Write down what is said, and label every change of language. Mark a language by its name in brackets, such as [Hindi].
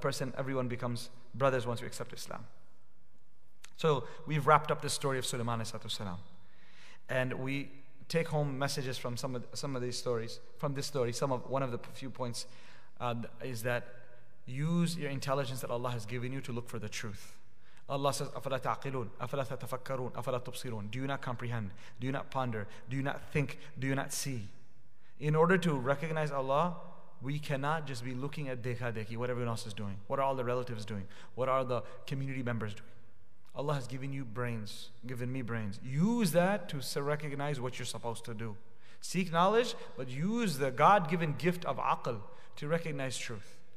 [English] Person, everyone becomes brothers once we accept Islam. So we've wrapped up the story of Sulaiman alayhi salam. And we take home messages from one of the few points is that use your intelligence that Allah has given you to look for the truth. Allah says, [Arabic] أَفَلَا تَعْقِلُونَ أَفَلَا تَتَفَكَّرُونَ أَفَلَا تُبْصِرُونَ. [English] Do you not comprehend? Do you not ponder? Do you not think? Do you not see? In order to recognize Allah, we cannot just be looking at dekha dekhi, what everyone else is doing. What are all the relatives doing? What are the community members doing? Allah has given you brains, given me brains. Use that to recognize what you're supposed to do. Seek knowledge, but use the God-given gift of aql to recognize truth.